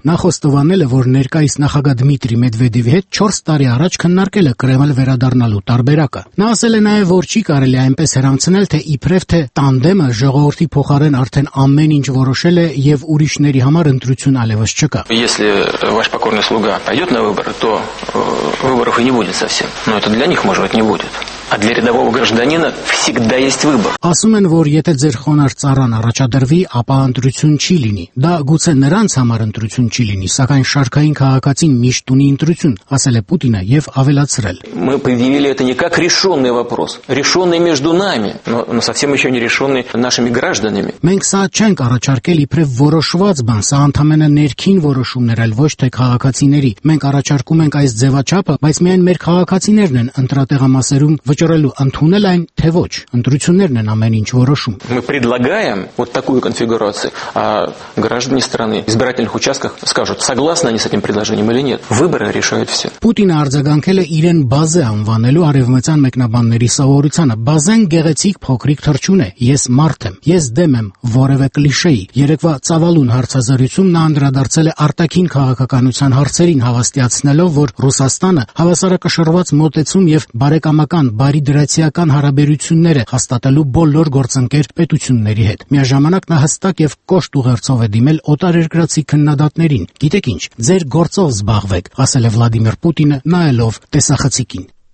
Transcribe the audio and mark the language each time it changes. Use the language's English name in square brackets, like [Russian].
[Armenian] Նախոս տվանել է, որ ներկայիս նախագահ Դմիտրի Մեդվեդևի հետ 4 տարի առաջ քննարկել է Կրեմլ վերադառնալու տարբերակը։ Նա ասել է նաև, որ չի կարելի այնպես հրանցնել, թե իբրև թե տանդեմը ժողովրդի փոխարեն արդեն ամեն ինչ որոշել է եւ ուրիշների համար ընտրություն ալևս չկա։ [Russian] Если ваш покорный слуга пойдёт на выборы, то выборов и не будет совсем. Но это для них, может быть, не будет. А для рядового гражданина всегда есть выбор. [Armenian] Ասում են, որ եթե ձեր խոնարհ ծառան առաջադրվի, ապա ընտրություն չի լինի։ Դա գուցե նրանց համար ընտրություն չի լինի, սակայն շարքային քաղաքացին միշտ ունի ընտրություն, ասել է Պուտինը եւ ավելացրել։ [Russian] Мы предъявили это не как решённый вопрос, решённый между нами, но совсем ещё не решённый нашими гражданами. [Armenian] Մենք սա չենք առաջարկել իբրև որոշված բան, սա ընդամենը ներքին որոշումներ այլ ոչ թե քաղաքացիների։ Մենք առաջարկում ենք այս ձևաչափը, բայց միայն մեր քաղաքացիներն են ընտրատեղամասերում վճռելու ընդունել այն, թե ոչ։ Ընտրություններն են ամեն ինչ որոշում։ [Russian] Мы предлагаем вот такую конфигурацию, а граждане страны в избирательных участках скажут, согласны они с этим предложением или нет. Выборы решают все. [Armenian] Պուտինը արձագանքել է իրեն բազե անվանելու արևմտյան մեկնաբանների սովորությանը։ Բազեն գեղեցիկ փոքրիկ թռչուն է, ես մարդ եմ, ես դեմ եմ որևէ կլիշեի։ Երեկվա ծավալուն հարցազրույցում նա անդրադարձել է արտաքին քաղաքականության հարցերին, հավաստիացնելով, որ Ռուսաստանը հավասարակշռված մոտեցում եւ բարեկամական բարի դրացիական հարաբերությունները հաստատելու բոլոր գործընկեր պետությունների հետ։ Միաժամանակ նա հստակ եւ կոշտ ուղերձով է դիմել օտարերկրացի քննադատներին։ Գիտեք ինչ, ձեր գործով զբաղվեք, ասել է Վլադիմիր Պուտինը նայելով տեսախցիկին։